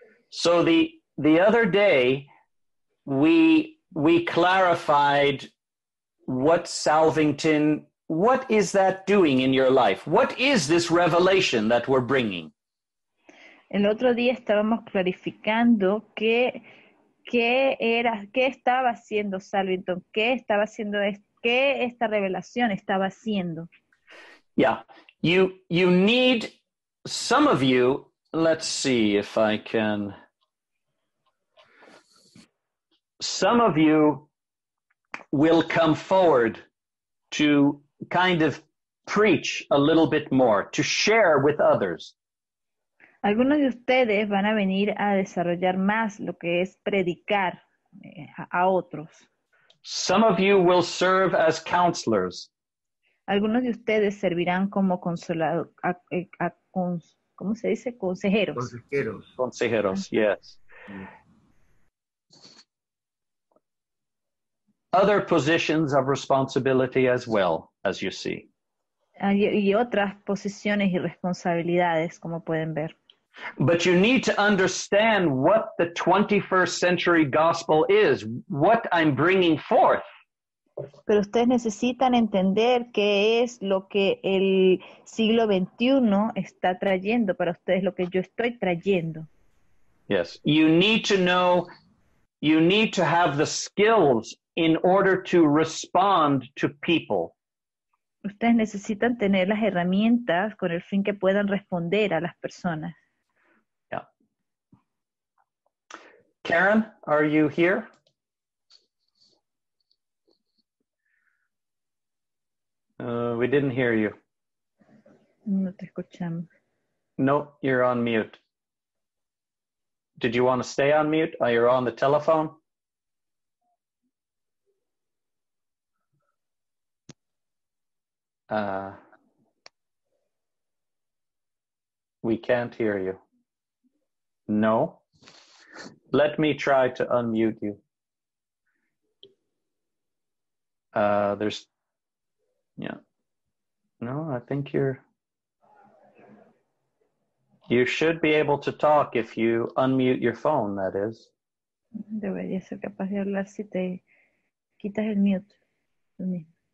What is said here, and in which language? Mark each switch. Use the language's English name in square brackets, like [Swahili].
[English] So the other day, we clarified what Salvington, what is that doing in your life? What is this revelation that we're bringing? [Spanish] El otro día estábamos clarificando qué estaba haciendo Salvington, qué estaba haciendo qué esta revelación estaba haciendo. [English] Yeah, you need some of you. Let's see if I can. Some of you will come forward to kind of preach a little bit more, to share with others. [Spanish] Algunos de ustedes van a venir a desarrollar más lo que es predicar a otros. [English] Some of you will serve as counselors. [Spanish] Algunos de ustedes servirán como ¿cómo se dice? Consejeros. [English] Consejeros, yes. Other positions of responsibility as well, as you see. [Spanish] Y otras posiciones y responsabilidades, como pueden ver. [English] But you need to understand what the 21st century gospel is, what I'm bringing forth. [Spanish] Pero ustedes necesitan entender qué es lo que el siglo XXI está trayendo para ustedes, lo que yo estoy trayendo. [English] Yes, you need to know, you need to have the skills in order to respond to people. [Spanish] Ustedes necesitan tener las herramientas con el fin que puedan responder a las personas. [English] Karen, are you here? We didn't hear you. [Spanish] No te escuchamos. [English] No, you're on mute. Did you want to stay on mute? Oh, you're on the telephone? We can't hear you. No. Let me try to unmute you. No, I think you should be able to talk if you unmute your phone, that is. [Spanish] Debería ser capaz de hablar si te quitas el mute.